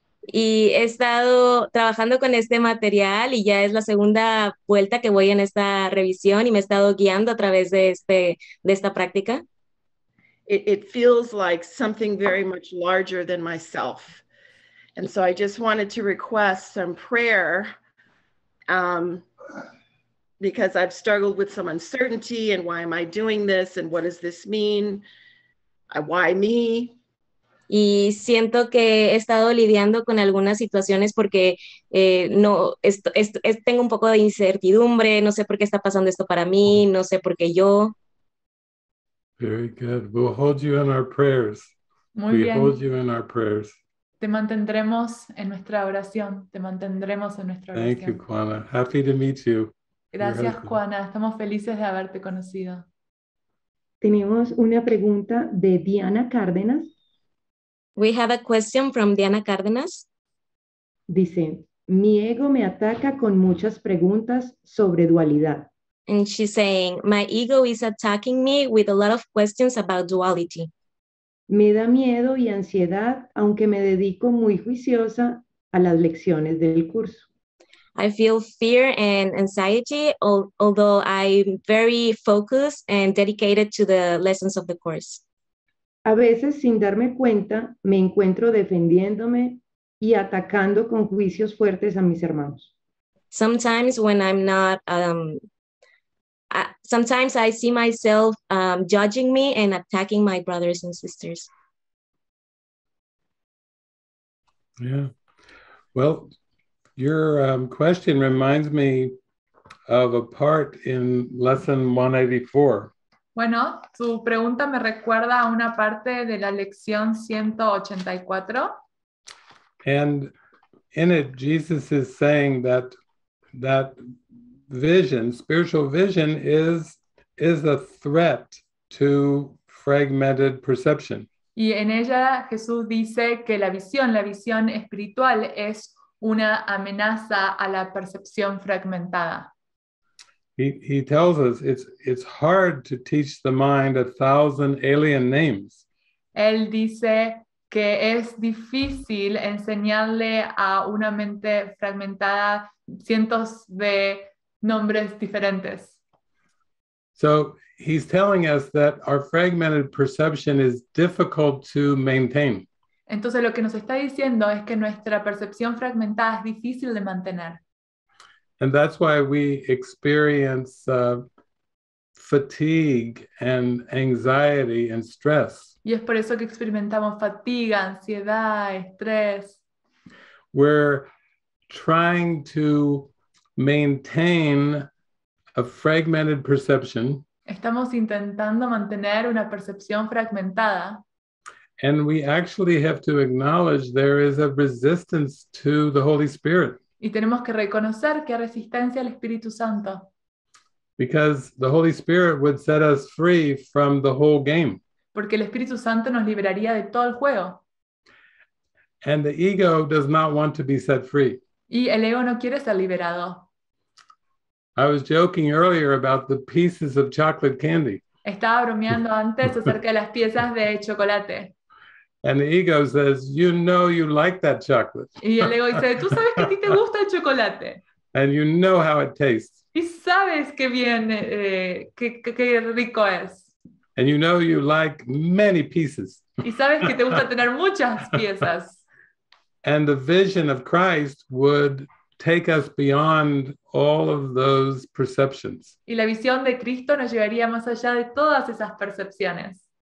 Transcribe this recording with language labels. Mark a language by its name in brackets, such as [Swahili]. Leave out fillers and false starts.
[Spanish] Y he estado trabajando con este material y ya es la segunda vuelta que voy en esta revisión y me he estado guiando a través de este de esta práctica. [English] It feels like something very much larger than myself. And so I just wanted to request some prayer because I've struggled with some uncertainty and why am I doing this and what does this mean? Why me? [Spanish] Y siento que he estado lidiando con algunas situaciones porque tengo un poco de incertidumbre, no sé por qué está pasando esto para mí, no sé por qué yo. [English] Very good. We'll hold you in our prayers. [Spanish] Muy bien. [English] We hold you in our prayers. [Spanish] Te mantendremos en nuestra oración. Te mantendremos en nuestra oración. [English] Thank you, Juana. Happy to meet you. [Spanish] Gracias, Juana. Estamos felices de haberte conocido. Tenemos una pregunta de Diana Cárdenas. [English] We have a question from Diana Cárdenas. [Spanish] Dice, mi ego me ataca con muchas preguntas sobre dualidad. [English] And she's saying, my ego is attacking me with a lot of questions about duality. [Spanish] Me da miedo y ansiedad, aunque me dedico muy juiciosa a las lecciones del curso. [English] I feel fear and anxiety, although I'm very focused and dedicated to the lessons of the course. [Spanish] A veces, sin darme cuenta, me encuentro defendiéndome y atacando con juicios fuertes a mis hermanos. [English] Sometimes when I'm not, sometimes I see myself judging me and attacking my brothers and sisters. Yeah. Well, your question reminds me of a part in lesson 184. [Spanish] Bueno, tu pregunta me recuerda a una parte de la lección 184. [English] And in it, Jesus is saying that that vision, spiritual vision, is a threat to fragmented perception. [Spanish] Y en ella Jesús dice que la visión espiritual, es una amenaza a la percepción fragmentada. [English] He tells us it's hard to teach the mind 1,000 alien names. [Spanish] Él dice que es difícil enseñarle a una mente fragmentada cientos de nombres diferentes. [English] So he's telling us that our fragmented perception is difficult to maintain. [Spanish] Entonces lo que nos está diciendo es que nuestra percepción fragmentada es difícil de mantener. [English] And that's why we experience fatigue and anxiety and stress. [Spanish] Y es por eso que experimentamos fatiga, ansiedad, estrés. [English] We're trying to maintain a fragmented perception. [Spanish] Estamos intentando mantener una percepción fragmentada. [English] And we actually have to acknowledge there is a resistance to the Holy Spirit. [Spanish] Y tenemos que reconocer que hay resistencia al Espíritu Santo. [English] Because the Holy Spirit would set us free from the whole game. [Spanish] Porque el Espíritu Santo nos liberaría de todo el juego. [English] And the ego does not want to be set free. [Spanish] Y el ego no quiere ser liberado. [English] I was joking earlier about the pieces of chocolate candy. [Spanish] Estaba bromeando antes acerca de las piezas de chocolate. [English] And the ego says, "You know you like that chocolate." [Spanish] Y el ego dice, "Tú sabes que a ti te gusta el chocolate." [English] And you know how it tastes. [Spanish] Y sabes qué bien, qué rico es. [English] And you know you like many pieces. [Spanish] Y sabes que te gusta tener muchas piezas. [English] And the vision of Christ would take us beyond all of those perceptions. [Spanish] Y la visión de Cristo nos llevaría más allá de todas esas percepciones.